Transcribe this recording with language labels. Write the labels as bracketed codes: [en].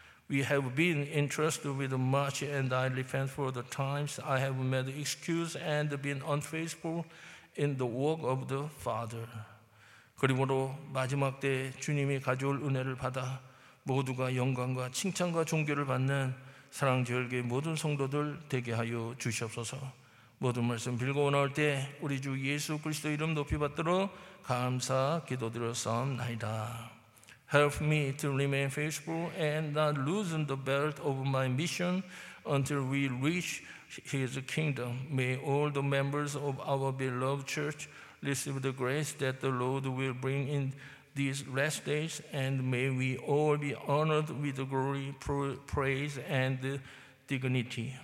[en] We have been entrusted with much and I repent for the times I have made excuse and been unfaithful in the work of the Father. [ko] 그러므로 마지막 때 주님이 가져올 은혜를 받아 모두가 영광과 칭찬과 존귀를 받는 사랑지혈계의 모든 성도들 되게 하여 주시옵소서. 모든 말씀 빌고 나올 때 우리 주 예수 그리스도 이름 높이 받들어 감사 기도드렸사옵나이다. [en] Help me to remain faithful and not loosen the belt of my mission until we reach His kingdom. May all the members of our beloved church receive the grace that the Lord will bring in these last days, and may we all be honored with glory, praise, and dignity.